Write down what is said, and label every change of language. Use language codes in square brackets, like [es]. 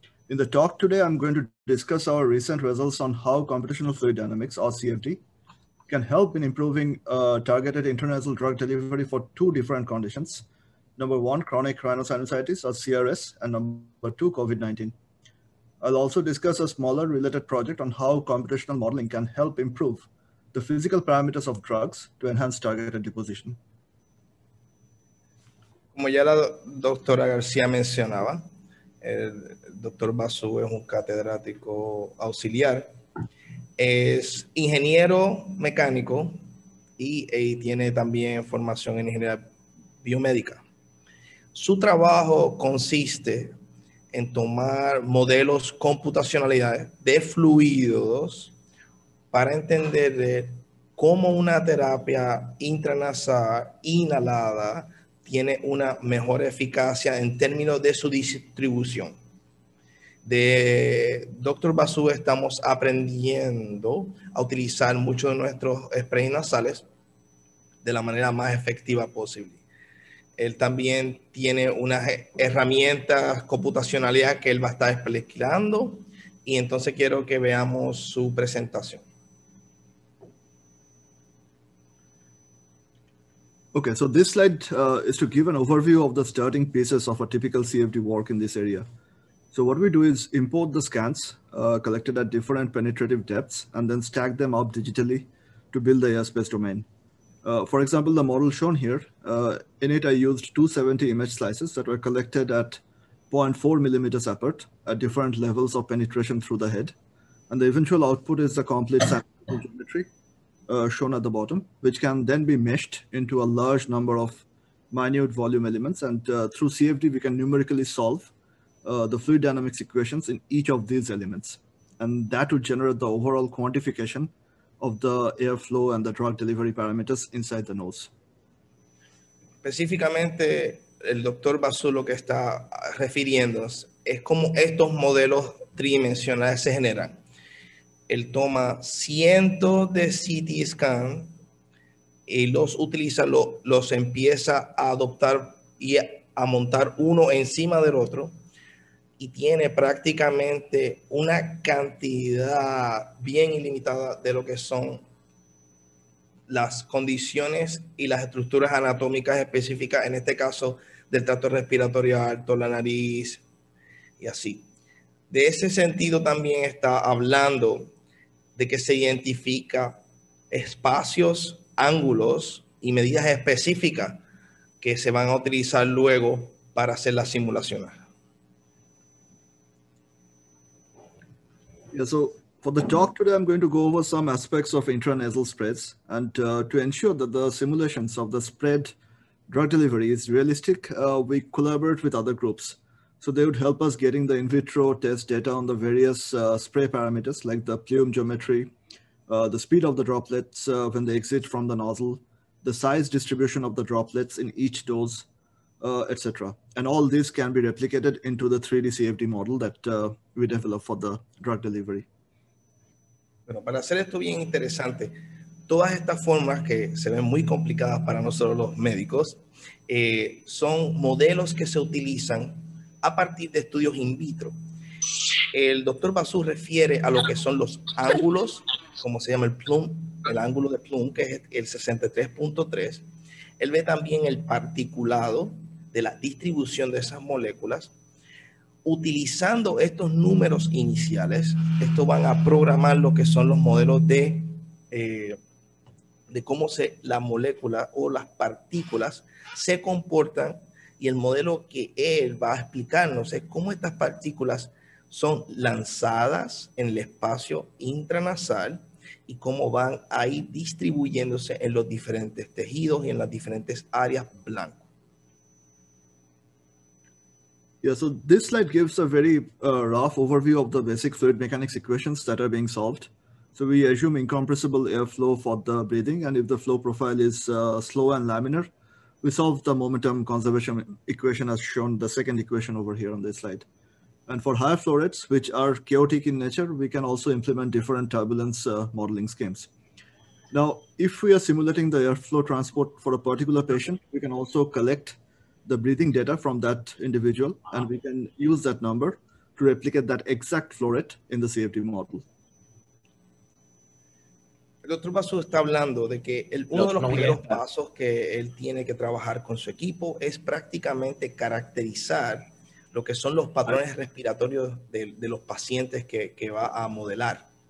[en] In the talk today, I'm going to discuss our recent results on how computational fluid dynamics, or CFD, can help in improving targeted intranasal drug delivery for two different conditions. Number one, chronic rhinosinusitis, or CRS, and number two, COVID-19. I'll also discuss a smaller related project on how computational modeling can help improve the physical parameters of drugs to enhance targeted deposition. [es] Como ya la doctora García mencionaba, el doctor Basu es un catedrático auxiliar, es ingeniero mecánico y tiene también formación en ingeniería biomédica. Su trabajo consiste en tomar modelos computacionales de fluidos para entender cómo una terapia intranasal inhalada tiene una mejor eficacia en términos de su distribución. De Dr. Basu estamos aprendiendo a utilizar muchos de nuestros sprays nasales de la manera más efectiva posible. Él también tiene unas herramientas computacionales que él va a estar explicando y entonces quiero que veamos su presentación. [en] Okay, so this slide is to give an overview of the starting pieces of a typical CFD work in this area. So what we do is import the scans collected at different penetrative depths and then stack them up digitally to build the airspace domain. For example, the model shown here, in it I used 270 image slices that were collected at 0.4 millimeters apart at different levels of penetration through the head. And the eventual output is a complete sample geometry. Shown at the bottom, which can then be meshed into a large number of minute volume elements. And through CFD, we can numerically solve the fluid dynamics equations in each of these elements. And that would generate the overall quantification of the airflow and the drug delivery parameters inside the nose. [es] Específicamente, el doctor Basu lo que está refiriéndonos es cómo estos modelos tridimensionales se generan. Él toma cientos de CT scan y los utiliza, los empieza a adoptar y a montar uno encima del otro y tiene prácticamente una cantidad bien ilimitada de lo que son las condiciones y las estructuras anatómicas específicas, en este caso del tracto respiratorio alto, la nariz y así. De ese sentido también está hablando de que se identifica espacios, ángulos y medidas específicas que se van a utilizar luego para hacer las simulaciones. [en] Yeah, so for the talk today, I'm going to go over some aspects of intranasal spreads. And to ensure that the simulations of the spread drug delivery is realistic, we collaborate with other groups. So they would help us getting the in vitro test data on the various spray parameters, like the plume geometry, the speed of the droplets when they exit from the nozzle, the size distribution of the droplets in each dose, etc. And all this can be replicated into the 3D CFD model that we develop for the drug delivery. [es] Bueno, para hacer esto bien interesante, todas estas formas que se ven muy complicadas para nosotros los médicos, son modelos que se utilizan a partir de estudios in vitro. El doctor Basu refiere a lo que son los ángulos, como se llama el plume, el ángulo de plume, que es el 63.3. Él ve también el particulado de la distribución de esas moléculas. Utilizando estos números iniciales, esto van a programar lo que son los modelos de cómo la molécula o las partículas se comportan y el modelo que él va a explicarnos es cómo estas partículas son lanzadas en el espacio intranasal y cómo van ahí distribuyéndose en los diferentes tejidos y en las diferentes áreas blancas. [en] Yeah, so this slide gives a very rough overview of the basic fluid mechanics equations that are being solved. So we assume incompressible airflow for the breathing, and if the flow profile is slow and laminar, we solve the momentum conservation equation as shown, the second equation over here on this slide. And for higher flow rates, which are chaotic in nature, we can also implement different turbulence modeling schemes. Now, if we are simulating the airflow transport for a particular patient, we can also collect the breathing data from that individual, and we can use that number to replicate that exact flow rate in the CFD model. [es] El doctor Basu está hablando de que uno de los primeros pasos que él tiene que trabajar con su equipo es prácticamente caracterizar lo que son los patrones respiratorios de los pacientes que va a modelar.